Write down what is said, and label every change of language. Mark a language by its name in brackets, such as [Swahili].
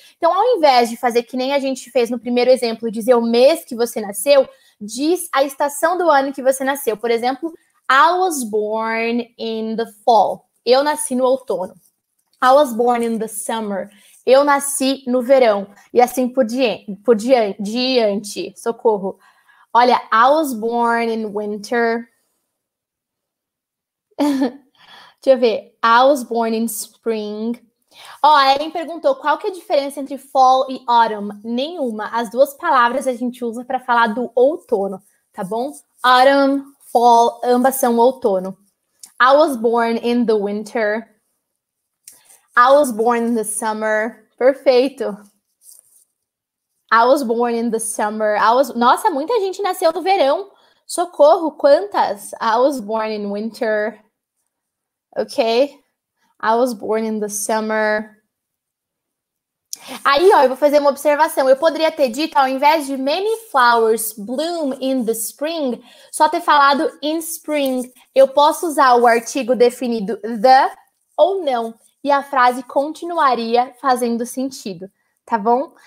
[Portuguese] Então, ao invés de fazer que nem a gente fez no primeiro exemplo, dizer o mês que você nasceu, diz a estação do ano que você nasceu. Por exemplo, [English] I was born in the fall. [Portuguese] Eu nasci no outono. [English] I was born in the summer. [Portuguese] Eu nasci no verão. E assim por diante. Socorro. [English] Olha, I was born in winter. [Portuguese] Deixa eu ver. [English] I was born in spring. [Portuguese] Ó, a Erin perguntou qual que é a diferença entre fall e autumn? Nenhuma. As duas palavras a gente usa para falar do outono, tá bom? [English] Autumn, fall, [Portuguese] ambas são outono. [English] I was born in the winter. I was born in the summer. Perfeito. I was born in the summer. [Portuguese] Nossa, muita gente nasceu no verão. Socorro, quantas? [English] I was born in winter. Ok. I was born in the summer. [Portuguese] Aí, ó, eu vou fazer uma observação. Eu poderia ter dito, ao invés de [English] many flowers bloom in the spring, [Portuguese] só ter falado in spring. Eu posso usar o artigo definido the ou não. E a frase continuaria fazendo sentido, tá bom?